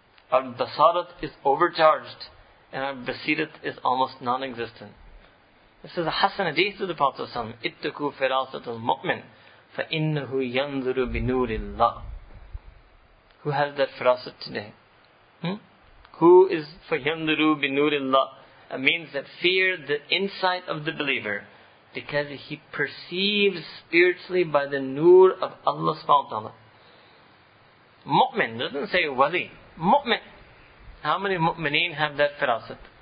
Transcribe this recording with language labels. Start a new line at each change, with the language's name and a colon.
English: Our basarat is overcharged, and our basirat is almost non-existent. This is a hasan hadith of the Prophet ﷺ.
Arabic: اِتَّقُوا فِرَاسَةَ الْمُؤْمِنِ فَإِنَّهُ يَنْظُرُ بِنُورِ اللَّهِ.
English: Who has that firasat today? Who is
Arabic: فَيَنْظُرُ بِنُورِ اللَّهِ?
English: It means that fear the insight of the believer, because he perceives spiritually by the nur of Allah subhanahu wa ta'ala. Mu'min doesn't say wali. Mu'min. How many mu'mineen have that firasat?